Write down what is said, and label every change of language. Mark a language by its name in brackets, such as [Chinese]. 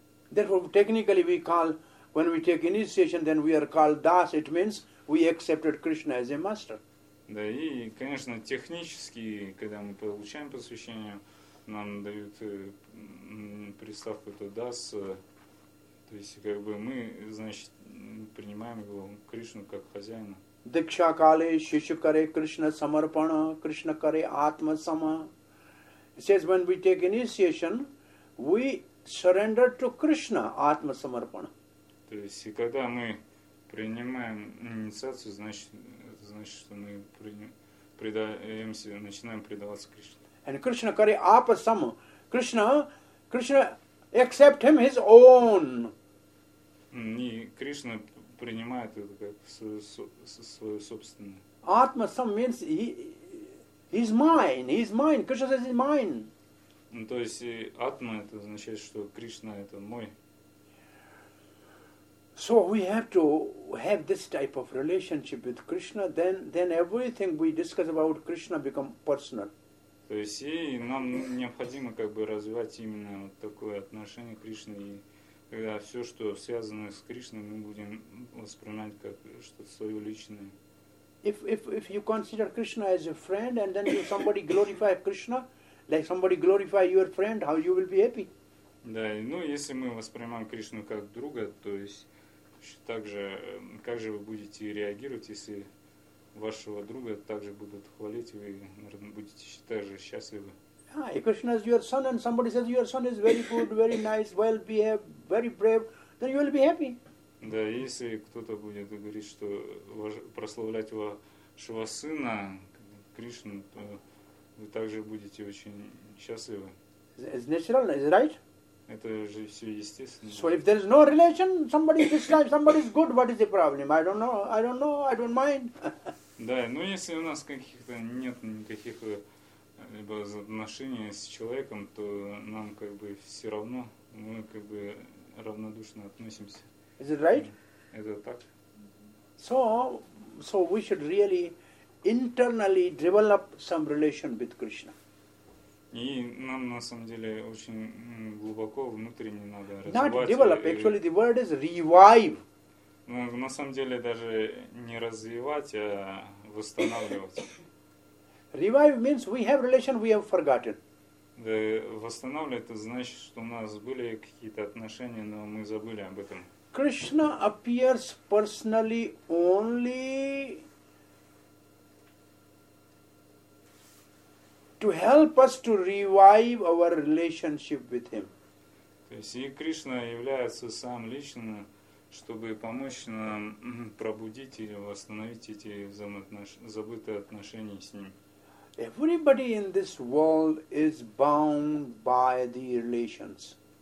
[English] Therefore, technically we call, when we take initiation, then we are called das. It means we accepted Krishna as a master. [Russian] Да, и, конечно, технически, когда мы получаем посвящение, нам дают приставку это das. То есть, как бы мы, значит, принимаем его Кришну как хозяина. [Sanskrit] Diksha Kale, Shishu Kare, Krishna Samarpana, Krishna Kare, Atma Sama. [English] It says when we take initiation, we surrender to Krishna, Atma Samarpana. [Russian] То есть, когда мы принимаем инициацию, значит, что мы предаемся, начинаем предаваться Кришне. [Sanskrit] And Krishna Kare, Apa Sama. [English] Krishna accept him his own. [Russian] И Кришна принимает это как свое собственное. [English] Atma sam means he's mine. Krishna says he's mine. [Russian] Ну, то есть атма это означает, что Кришна это мой. [English] So we have to have this type of relationship with Krishna, then everything we discuss about Krishna become personal. [Russian] То есть и нам необходимо как бы развивать именно вот такое отношение к Кришне, и когда все, что связано с Кришной, мы будем воспринимать как что-то свое личное. [English] If you consider Krishna as a friend, and then somebody glorify Krishna, like somebody glorify your friend, how you will be happy? [Russian] Да, ну если мы воспринимаем Кришну как друга, то есть также, как же вы будете реагировать, если вашего друга также будут хвалить, вы, наверное, будете также счастливы. [English] Ah, Krishna is your son, and somebody says your son is very good, very nice, well behaved, very brave, then you will be happy. [Russian] Да, если кто-то будет говорить, что прославлять вашего сына Кришну, то вы также будете очень счастливы. [English] It's natural, is it right? [Russian] Это же все естественно. [English] So if there is no relation, somebody dislikes, somebody is good, what is the problem? I don't know, I don't mind. [Russian] Да, но если у нас каких-то нет никаких либо отношений с человеком, то нам как бы все равно, мы как бы равнодушно относимся. [English] Is it right? [Russian] Это так. [English] So we should really internally develop some relation with Krishna. [Russian] И нам на самом деле очень глубоко внутренне надо развивать. [English] Not develop, actually the word is revive. [Russian] Ну, на самом деле даже не развивать, а восстанавливать. [English] Revive means we have relation, we have forgotten. [Russian] Да, восстанавливать это значит, что у нас были какие-то отношения, но мы забыли об этом. [English] Krishna appears personally only to help us to revive our relationship with him. [Russian] То есть и Кришна является сам лично, чтобы помочь нам пробудить или восстановить эти забытые отношения с ним. [English] Everybody in this world is bound by the relations.